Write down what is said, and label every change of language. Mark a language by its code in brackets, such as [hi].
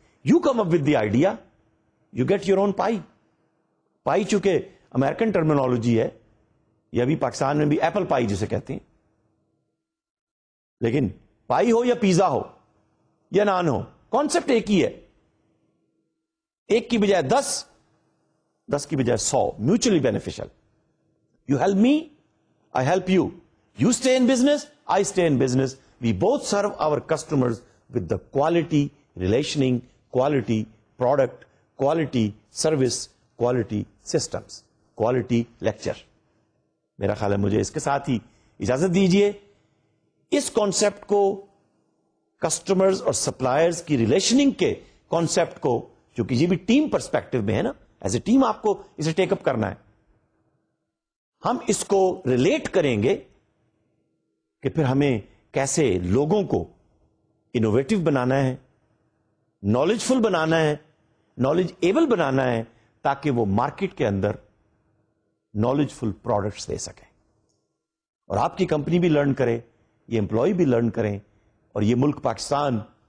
[en] You come up with the idea, you get your own pie. [ur] پائی چونکہ American terminology ہے, یہ ابھی پاکستان میں بھی ایپل پائی جسے کہتے ہیں, لیکن پائی ہو یا پیزا ہو یا نان ہو, کانسیپٹ ایک ہی ہے. ایک کی بجائے 10, 10 کی بجائے 100, mutually beneficial. [en] You help me, I help you. You stay in business, I stay in business. We both serve our customers with the quality relationing, quality product, quality service, quality systems, quality lecture. [ur] میرا خیال ہے مجھے اس کے ساتھ ہی اجازت دیجئے. اس concept کو customers اور suppliers کی relationing کے concept کو, کیونکہ یہ بھی team perspective میں ہے نا, [en] as a team [ur] آپ کو اسے take up کرنا ہے, ہم اس کو ریلیٹ کریں گے کہ پھر ہمیں کیسے لوگوں کو انوویٹو بنانا ہے, نالج فل بنانا ہے, نالج ایبل بنانا ہے, تاکہ وہ مارکیٹ کے اندر نالج فل پروڈکٹس دے سکیں, اور آپ کی کمپنی بھی لرن کرے, یہ امپلائی بھی لرن کریں, اور یہ ملک پاکستان